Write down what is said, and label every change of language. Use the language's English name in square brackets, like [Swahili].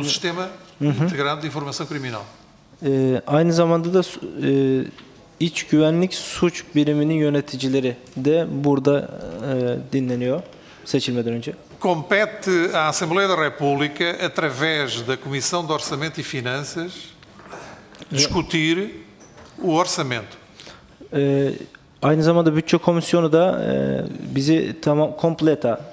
[Portuguese] Do Sistema Integrado de Informação Criminal. [Turkish] Aynı zamanda da İç Güvenlik Suç Biriminin yöneticileri de burada dinleniyor seçilmeden önce. [Portuguese] Compete à Assembleia da República, através da Comissão de Orçamento e Finanças, discutir o orçamento. [Turkish] Aynı zamanda bütçe komisyonu da bizi tamam completa.